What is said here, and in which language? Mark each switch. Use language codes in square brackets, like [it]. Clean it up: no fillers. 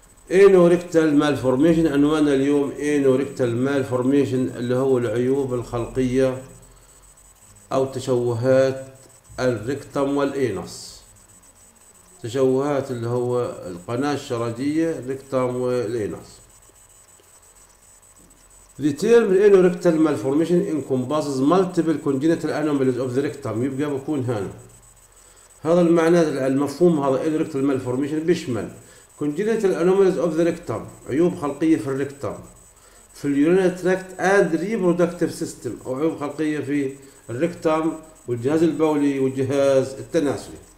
[ar] إينوريكتال مالفورميشن، عنوان اليوم إينوريكتال مالفورميشن اللي هو العيوب الخلقية أو تشوهات الريكتم والإينس. تشوهات اللي هو القناة الشرجية ريكتم والإينس. [en] The term anorectal malformation encompasses multiple congenital anomalies of the rectum. [ar] يبقى بكون هنا هذا المعنى، المفهوم هذا الريكتال مالفورميشن بيشمل [en] congenital anomalies of the rectum، [ar] عيوب خلقية في الريكتم، في [en] اليورين tract and reproductive system, [ar] او عيوب خلقية في الريكتم والجهاز البولي والجهاز التناسلي.